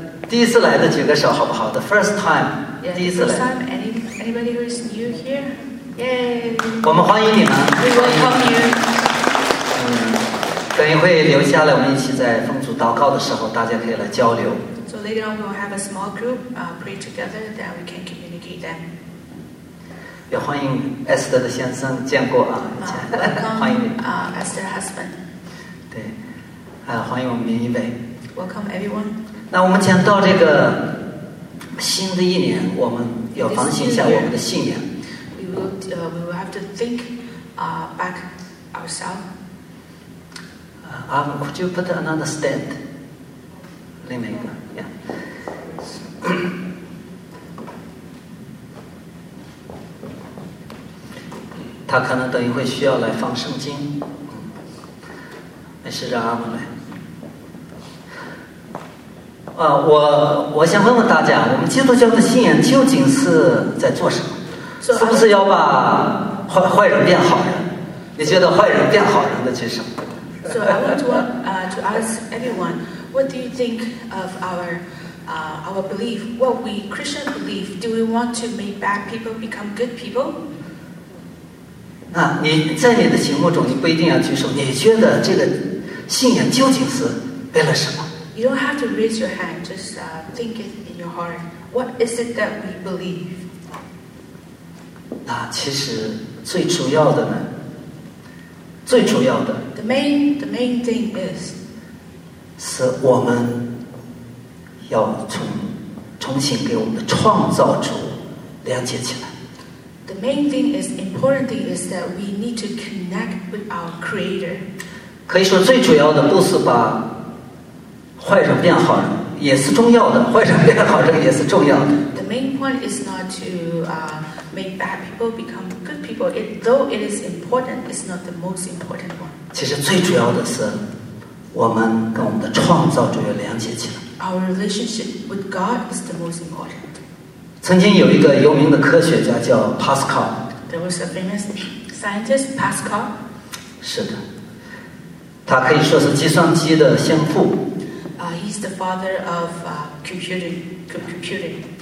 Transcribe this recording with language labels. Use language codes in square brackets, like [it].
[zh] 第一次来的举个手好不好 ？ [en] The first time， yeah, [zh] 第一次来。 [en] Anybody who is new here， yay！ [zh] 我们欢迎你们。 [en] We welcome you。 [zh] 等一会留下来，我们一起在奉主祷告的时候，大家可以来交流。 [en] So later on, we'll have a small group, pray together, that we can communicate them. [zh] 也欢迎 Esther 的先生见过啊， [en] welcome, [zh] 欢迎你。 [en] Esther husband. [zh] 对，欢迎我们林一伟。 [en] Welcome everyone. [zh] 那我们讲到这个新的一年，我们要反省一下我们的信仰。 [en] We will have to think, back ourselves. Could you put another stand? [zh] 另外一个 ， [en] Yeah. [zh] 他可能等一会需要来放圣经，没事，让阿姆来。我想问问大家，我们基督教的信仰究竟是在做什么？ So, 是不是要把坏人变好人？你觉得坏人变好人的是什么？ [en] So I want to ask everyone, what do you think of our belief, what we Christian believe? Do we want to make bad people become good people? [zh] 那你在你的节目中，你不一定要举手。你觉得这个信仰究竟是为了什么？ [en] You don't have to raise your hand. Just think it in your heart. What is it that we believe? [zh] 那其实最主要的呢。最主要的 [en] the main thing is [zh] 是我们要重新给我们的创造主连接起来。 [en] The main thing is important thing is that we need to connect with our creator. [zh] 可以说最主要的不是把坏人变好人，也是重要的，坏人变好人也是重要的。 [en] The main point is not to make bad people become good people. Though it is important, it's not the most important one. [zh] 其实最主要的是，我们跟我们的创造主要连接起来。 [en] Our relationship with God is the most important. [zh] 曾经有一个有名的科学家叫 Pascal. [en] There was a famous scientist, Pascal. [zh] 是的，他可以说是计算机的先父。 [en] He's the father of computing.